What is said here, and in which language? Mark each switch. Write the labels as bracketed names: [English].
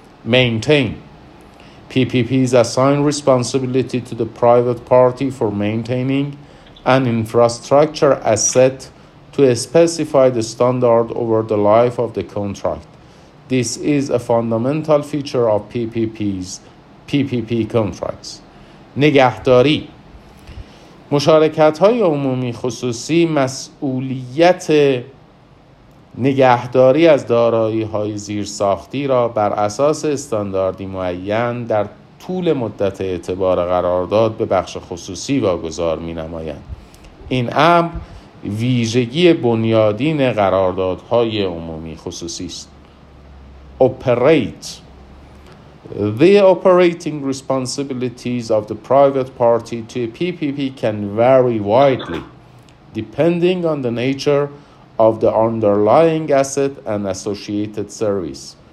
[English] Maintain PPPs assign responsibility to the private party for maintaining an infrastructure asset to a specified standard over the life of the contract. This is a fundamental feature of PPPs, PPP contracts. [Persian] نگهداری مشارکت‌های عمومی خصوصی مسئولیت نگهداری از دارایی‌های زیرساختی را بر اساس استانداردی معین در طول مدت اعتبار قرارداد به بخش خصوصی واگذار می‌نمایند. این امر ویژگی بنیادین قراردادهای عمومی خصوصی است. [English] Operate. The operating responsibilities of the private party to a PPP can vary widely depending on the nature of the underlying asset and associated service.